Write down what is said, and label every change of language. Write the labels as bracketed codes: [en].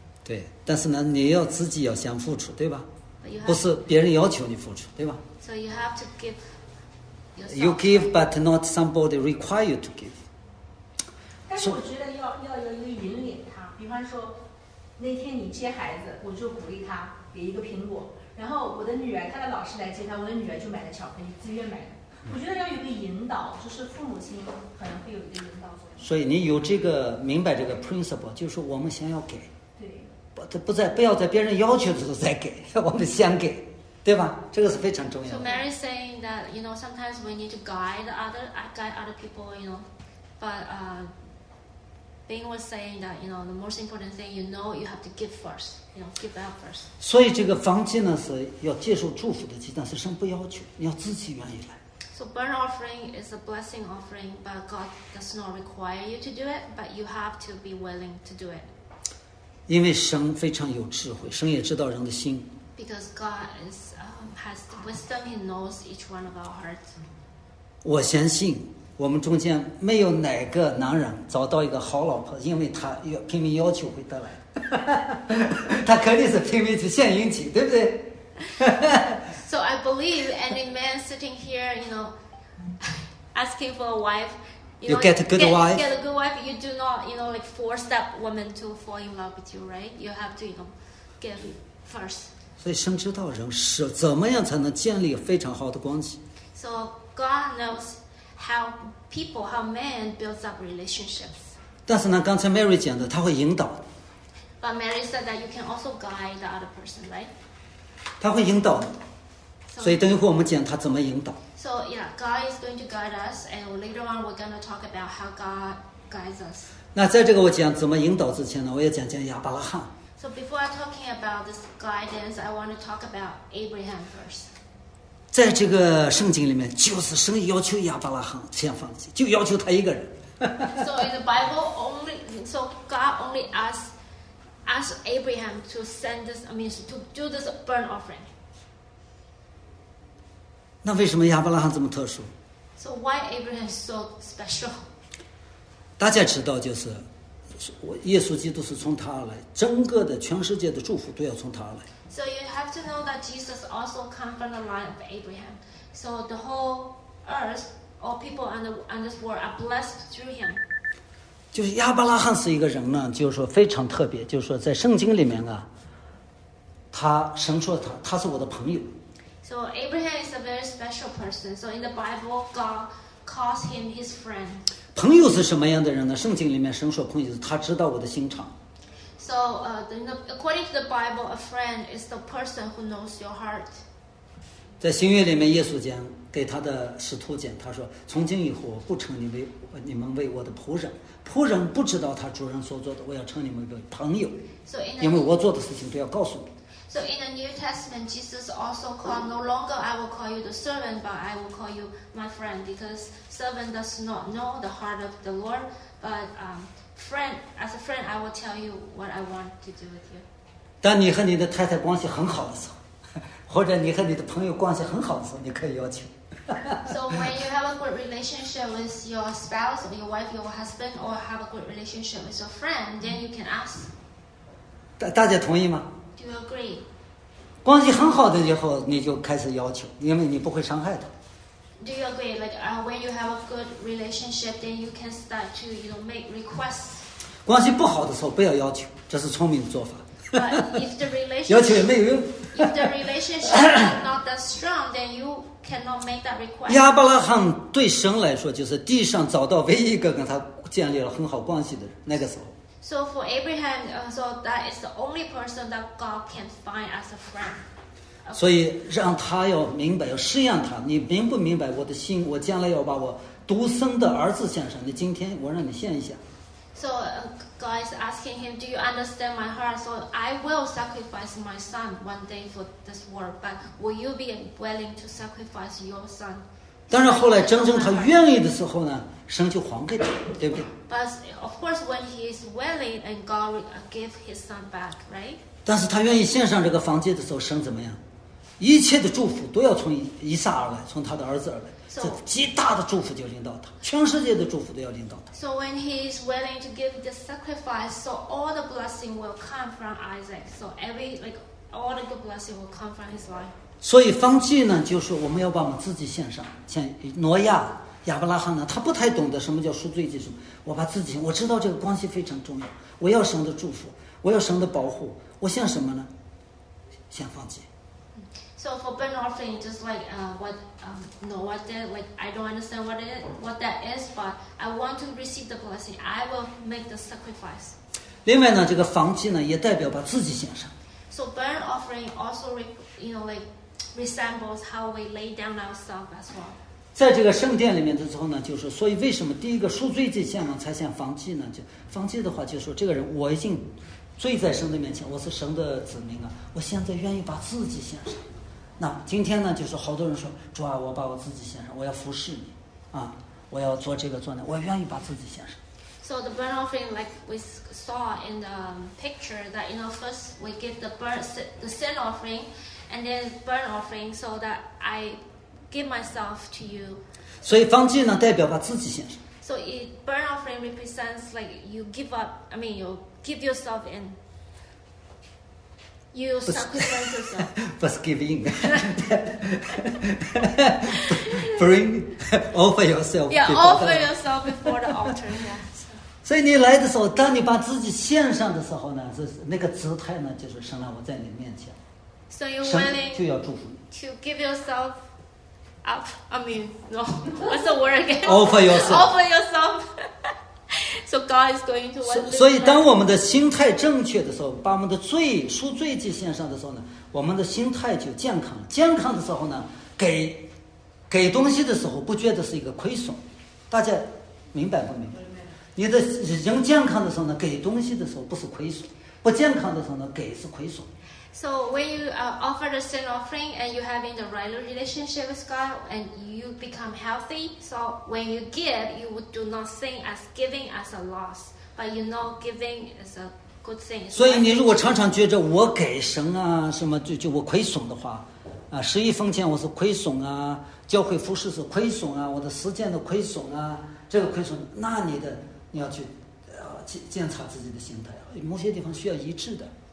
[zh] 对，但是呢，你要自己要先付出，对吧？ [en] Have, [zh] 不是别人要求你付出，对吧 [en] ？So you have to give. You give, but not somebody require you to give. [zh] 但是我觉得要有一个引领他，比方说那天你接孩子，我就鼓励他给一个苹果，然后我的女儿她的老师来接他，我的女儿就买了巧克力，自愿买的。我觉得要有一个引导，就是父母亲可能会有一个引导作用。所以你有这个明白这个 principle， 就是我们先要给，对，不在不要在别人要求的时候再给，我们先给，对吧？这个是非常重要的。 [en] So Mary saying that you know sometimes we need to guide other people you know, but Bing was saying that, you know, the most important thing, you know, you have to give first, you know, give out first. [zh] 所以这个房间呢是要接受祝福的祭，但是神不要求，你要自己愿意来。 [en] So burnt offering is a blessing offering, but God does not require you to do it, but you have to be willing to do it. [zh] 因为神非常有智慧，神也知道人的心。 [en] Because God is, has the wisdom, he knows each one of our hearts. [zh] 我相信我们中间没有哪个男人找到一个好老婆，因为他要拼命要求会得来，他肯定是拼命去献殷勤，对不对 [en] ？So I believe any man sitting here, you know, asking for a wife, you get a good wife. Get a good wife, you do not, you know, like force that woman to fall in love with you, right? You have to, you know, give first. [zh] 所以神知道人是怎么样才能建立非常好的关系。 [en] So God knows. How people, how men builds up relationships. [zh] 但是呢，刚才 Mary 讲的，他会引导。 [en] But Mary said that you can also guide the other person, right? [zh] 他会引导。所以等一会儿我们讲他怎么引导。 [en] So yeah, God is going to guide us, and later on we're going to talk about how God guides us. [zh] 那在这个我讲怎么引导之前呢，我也讲亚伯拉罕。 [en] So before I'm talking about this guidance, I want to talk about Abraham first. [zh] 在这个圣经里面，就是神要求亚伯拉罕先放弃，就要求他一个人。 [en] So in the Bible, God only asked Abraham to send this, I mean, to do this burnt offering. [zh] 那为什么亚伯拉罕这么特殊 [en] ？So why Abraham is so special? [zh] 大家知道，就是耶稣基督是从他而来，整个的全世界的祝福都要从他而来。 [en] So you have to know that Jesus also come from the line of Abraham. So the whole earth, all people on this world are blessed through him. [zh] 就是亚伯拉罕是一个人呢，就是说非常特别，就是说在圣经里面啊，他神说他是我的朋友。 [en] So Abraham is a very special person. So in the Bible, God calls him his friend. [zh] 朋友是什么样的人呢？圣经里面神说朋友是他知道我的心肠。 [en] So, according to the Bible, a friend is the person who knows your heart. [zh] 在新约里面，耶稣讲给他的使徒讲，他说：“从今以后，我不称你们为我的仆人，仆人不知道他主人所做的，我要称你们为朋友。 [en] So in the, [zh] 因为我做的事情都要告诉你。” [en] So in the New Testament, Jesus also called, "No longer I will call you the servant, but I will call you my friend, because servant does not know the heart of the Lord, but." Friend, as a friend, I will tell you what I want to do with you. [zh] 当你和你的太太关系很好的时候，或者你和你的朋友关系很好的时候，你可以要求。 [en] So when you have a good relationship with your spouse, or your wife, your husband, or have a good relationship with your friend, then you can ask. [zh] 大家同意吗？ [en] Do you agree? [zh] 关系很好的以后，你就开始要求，因为你不会伤害他。 [en] Do you agree? Like, when you have a good relationship, then you can start to, you know, make requests. [zh] 关系不好的时候不要要求，这是聪明的做法。 [en] But if the relationship [zh] 要求也没有用。 [en] If the relationship is not that strong, then you cannot make that request. [zh] 亚伯拉罕对神来说，就是地上找到唯一一个跟他建立了很好关系的人，那个时候。 [en] So for Abraham, so that is the only person that God can find as a friend. Okay. [zh] 所以让他要明白，要试验他，你明不明白我的心？我将来要把我独生的儿子献上，你今天我让你献一下。 [en] So God is asking him, do you understand my heart? So I will sacrifice my son one day for this world, but will you be willing to sacrifice your son? [zh] 但是后来真正他愿意的时候呢，神就还给他，对不对？ [en] But of course when he is willing and God give his son back, right? [zh] 但是他愿意献上这个房间的时候，神怎么样？一切的祝福都要从以撒而来，从他的儿子而来。 [en] So, [zh] 这极大的祝福就临到他，全世界的祝福都要临到他。 [en] So when he is willing to give the sacrifice, so all the blessing will come from Isaac. So every like all the good blessing will come from his life. [zh] 所以方济呢，就是我们要把我们自己献上。像挪亚、亚伯拉罕呢，他不太懂得什么叫赎罪祭什么。我把自己，我知道这个关系非常重要。我要神的祝福，我要神的保护，我献什么呢？献方济。 [en] So for burnt offering, just like what Noah did, like I don't understand what it is, what that is, but I want to receive the blessing. I will make the sacrifice. [zh] 另外呢，这个燔祭呢，也代表把自己献上。 [en] So burnt offering also, you know, like resembles how we lay down ourselves as well. [zh] 在这个圣殿里面的时候呢，就是所以为什么第一个赎罪祭献上才献燔祭呢？就燔祭的话，就是说这个人我已经罪在神的面前，我是神的子民啊，我现在愿意把自己献上。那今天呢，就是好多人说，主啊，我把我自己献上，我要服侍你，啊，我要做这个做那，我愿意把自己献上。 [en] So the burnt offering, like we saw in the picture, that you know, first we give the burnt the sin offering, and then burnt offering, so that I give myself to you. 所以方剂呢，代表把自己献上。 So it burnt offering represents like you give up. I mean, you give yourself in. You sacrifice yourself. Just give in. Bring, offer yourself. Yeah, offer yourself before the altar. [zh] 所以你来的时候，当你把自己献上的时候呢，是那个姿态呢，就是神啊，我在你面前。 [en] So you're willing [zh] 就要祝福你。 [en] To give yourself up. I mean, no. What's the word again? Offer yourself. Offer yourself. So God is going to. [zh] 所以，当我们的心态正确的时候，把我们的罪赎罪祭献上的时候呢，我们的心态就健康。健康的时候呢，给东西的时候不觉得是一个亏损。大家明白不明白？你的人健康的时候呢，给东西的时候不是亏损；不健康的时候呢，给是亏损。 [en] So when you offer the sin offering and you have in the right relationship with God and you become healthy, so when you give, you would do not think as giving as a loss, but you know giving is a good thing. [zh] 所以你如果常常觉着我给神啊什么就我亏损的话，啊十一奉献我是亏损啊，教会服侍是亏损啊，我的时间的亏损啊，这个亏损，那你要去检查自己的心态，某些地方需要一致的。